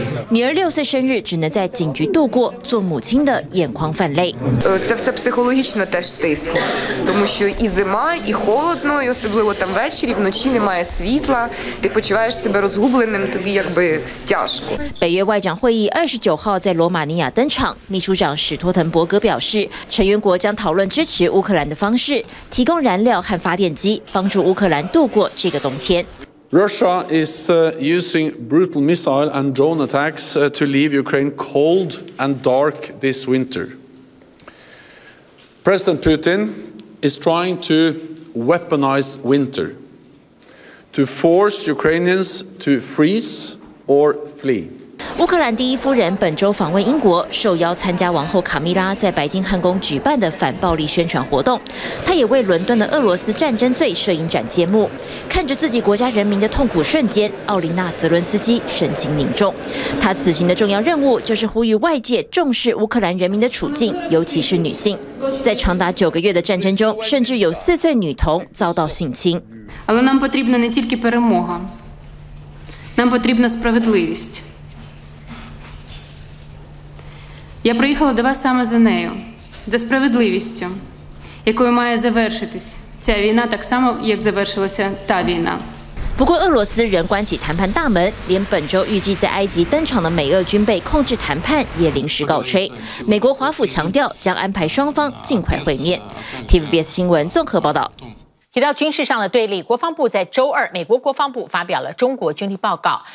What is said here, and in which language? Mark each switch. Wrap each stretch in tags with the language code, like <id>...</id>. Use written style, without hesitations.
<zh>女儿6岁生日只能在警局度过，做母亲的眼眶泛泪。</zh> <uk>Це все психологічно теж тиск, тому що і зима, і холодно, і особливо там ввечері, вночі немає світла, ти почуваєш себе розгубленим, тобі</uk> <zh>北约外长会议29号在罗马尼亚登场。秘书长史托滕伯格表示，成员国将讨论支持乌克兰的方式，提供燃料和发电机，帮助乌克兰度过这个冬天。</zh> <en>Russia is using brutal missile and drone attacks to leave Ukraine cold and dark this winter. President Putin is trying to weaponize winter. To force Ukrainians to freeze or flee.</en> <zh>乌克兰第一夫人本周访问英国，受邀参加王后卡米拉在白金汉宫举办的反暴力宣传活动。她也为伦敦的俄罗斯战争罪摄影展揭幕。看着自己国家人民的痛苦瞬间，奥琳娜·泽伦斯基神情凝重。她此行的重要任务就是呼吁外界重视乌克兰人民的处境，尤其是女性。在长达九个月的战争中，甚至有四岁女童遭到性侵。</zh> <uk>Але нам потрібна не тільки перемога, нам потрібна справедливість. Я приїхала до вас саме за нею, за справедливістю, якою має завершитись ця війна, так само, як завершилася та війна.</uk> <zh>不过俄罗斯仍关起谈判大门，连本周预计在埃及登场的美俄军备控制谈判也临时告吹。美国华府强调将安排双方尽快会面。 TVBS 新闻综合报道。提到军事上的对立，国防部在周二美国国防部发表了中国军力报告。</zh>